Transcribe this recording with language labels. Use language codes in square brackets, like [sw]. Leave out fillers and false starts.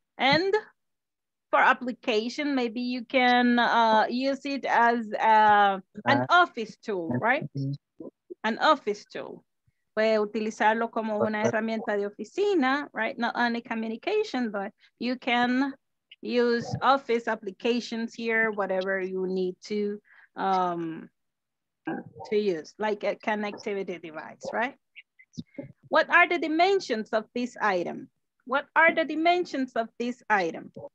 [en] And for application, maybe you can use it as an office tool, right? An office tool. [es] Puede utilizarlo como una herramienta de oficina, right? [en] Not only communication, but you can use office applications here, whatever you need to use, like a connectivity device, right? What are the dimensions of this item? What are the dimensions of this item?